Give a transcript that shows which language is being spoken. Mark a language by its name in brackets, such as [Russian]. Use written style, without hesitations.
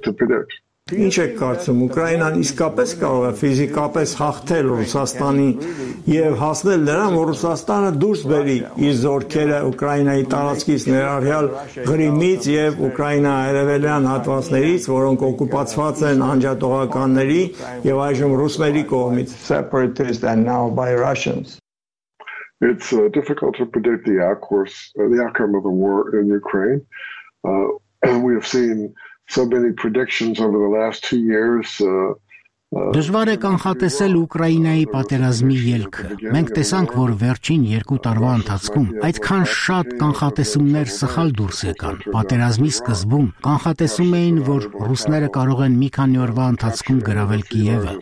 [Armenian] Ինչ եք կարծում, Ուկրաինան իսկապես կարող է ֆիզիկապես հաղթել Ռուսաստանի և հասնել նրան, որ Ռուսաստանը դուրս բերի իր զորքերը Ուկրաինայի տարածքից, ներառյալ Ղրիմից և Ուկրաինա արևելյան հատվածներից, որոնք օկուպացված են անջատողականների և այժմ ռուսների կողմից։ [English] It's difficult to predict the outcome of the war in Ukraine. We have seen so many predictions over the last 2 years [Armenian] Դժվար է կանխատեսել Ուկրաինայի պատերազմի ելքը։ Մենք տեսանք, որ վերջին 2 տարվա ընթացքում այդքան շատ կանխատեսումներ սխալ դուրս եկան։ Պատերազմի սկզբում կանխատեսում էին, որ ռուսները կարող են մի քանի օրվա ընթացքում գրավել Կիևը։